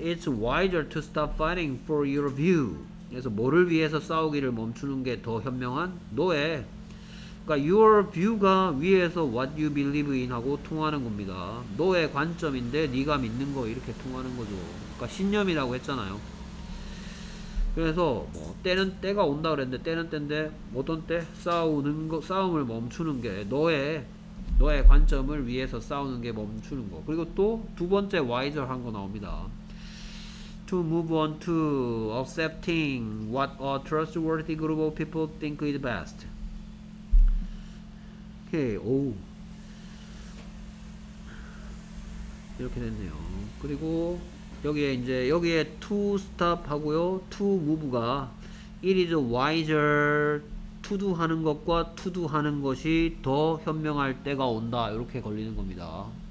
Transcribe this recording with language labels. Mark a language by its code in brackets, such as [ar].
[en] It's wiser to stop fighting for your view. [ko] 그래서 뭐를 위해서 싸우기를 멈추는 게 더 현명한? 너의, 그러니까 [en] your view [ko] 가 위에서 [en] what you believe in [ko] 하고 통하는 겁니다. 너의 관점인데 네가 믿는 거, 이렇게 통하는 거죠. 그러니까 신념이라고 했잖아요. 그래서 뭐 때는 때가 온다 그랬는데, 때는 때인데 어떤 때? 싸우는 거, 싸움을 멈추는 게, 너의 관점을 위해서 싸우는 게 멈추는 거. 그리고 또 두 번째 [en] wiser [ko] 한 거 나옵니다. [en] To move on to accepting what a trustworthy group of people think is best. [ko] 오케이, 오 이렇게 됐네요. 그리고 여기에 이제 여기에 [en] to stop [ko] 하고요, [en] to move [ko] 가 [en] it is wiser to do [ko] 하는 것과 to do 하는 것이 더 현명할 때가 온다, 이렇게 걸리는 겁니다.